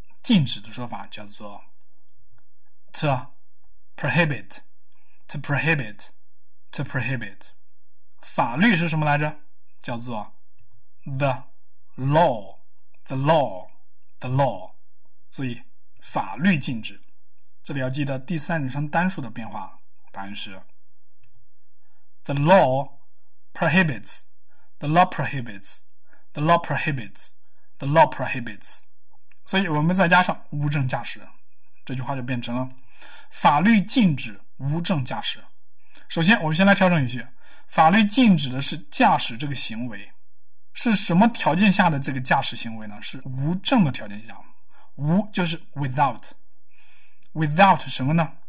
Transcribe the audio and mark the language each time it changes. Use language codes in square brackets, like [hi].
[zh] 禁止的说法叫做 [en] to prohibit, to prohibit, to prohibit. [zh] 法律是什么来着？叫做 [en] the law, the law, the law. [zh] 所以法律禁止。这里要记得第三人称单数的变化。答案是 [en] The law prohibits, the law prohibits, the law prohibits, the law prohibits. [zh] 所以我们再加上无证驾驶，这句话就变成了法律禁止无证驾驶。首先我们先来调整语序，法律禁止的是驾驶这个行为，是什么条件下的这个驾驶行为呢？是无证的条件下，无就是 without， without 什么呢？